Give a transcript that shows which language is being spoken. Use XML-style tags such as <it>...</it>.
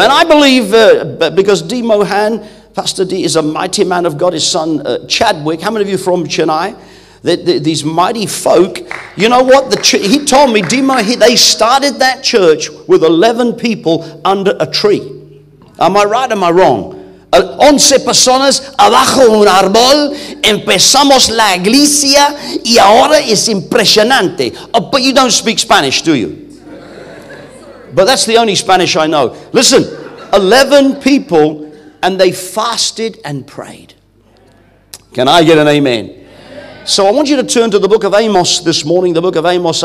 <en>And I believe, because D. Mohan, Pastor D., is a mighty man of God. His son, Chadwick. How many of you from Chennai? These mighty folk. You know what? He told me, D. Mohan, they started that church with 11 people under a tree. Am I right or am I wrong?</en> <es>11 personas abajo un árbol, empezamos la iglesia, y ahora es impresionante.</es> <en>Oh, but you don't speak Spanish, do you? But that's the only Spanish I know. Listen, 11 people, and they fasted and prayed. Can I get an amen? Amen. So I want you to turn to the book of Amos this morning, the book of Amos.</en>